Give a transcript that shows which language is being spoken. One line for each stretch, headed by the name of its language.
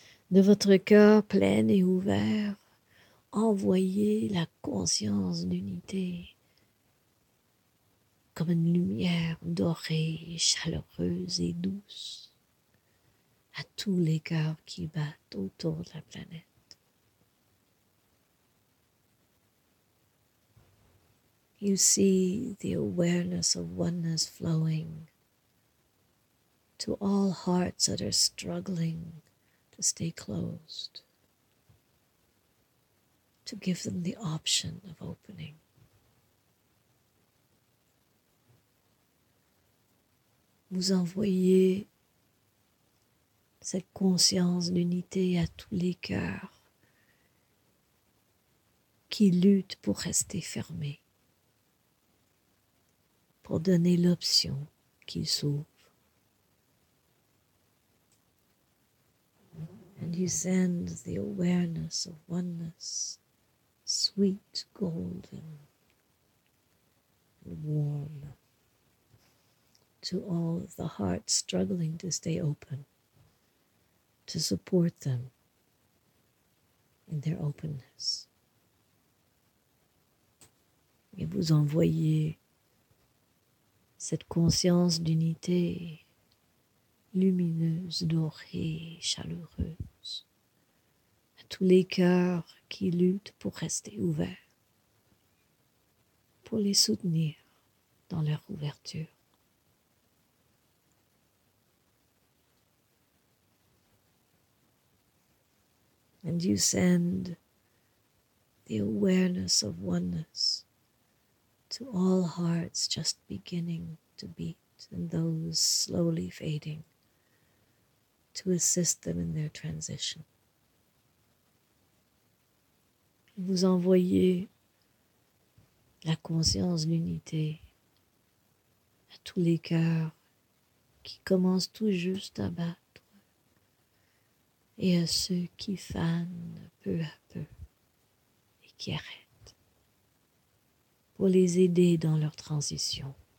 French: De votre cœur plein et ouvert, envoyez la conscience d'unité comme une lumière dorée, chaleureuse et douce à tous les cœurs qui battent autour de la planète.
English: You see the awareness of oneness flowing to all hearts that are struggling to stay closed, to give them the option of opening.
French: vous envoyez cette conscience d'unité à tous les cœurs qui luttent pour rester fermés, pour donner l'option qu'ils s'ouvrent.
English: And you send the awareness of oneness, sweet, golden, and warm to all the hearts struggling to stay open, to support them in their openness.
French: Et vous envoyez cette conscience d'unité lumineuse, dorée, chaleureuse à tous les cœurs qui luttent pour rester ouverts, pour les soutenir dans leur ouverture.
English: And you send the awareness of oneness to all hearts just beginning to beat and those slowly fading to assist them in their transition.
French: Vous envoyez la conscience d'unité à tous les cœurs qui commencent tout juste à battre. Et à ceux qui fanent peu à peu et qui arrêtent pour les aider dans leur transition.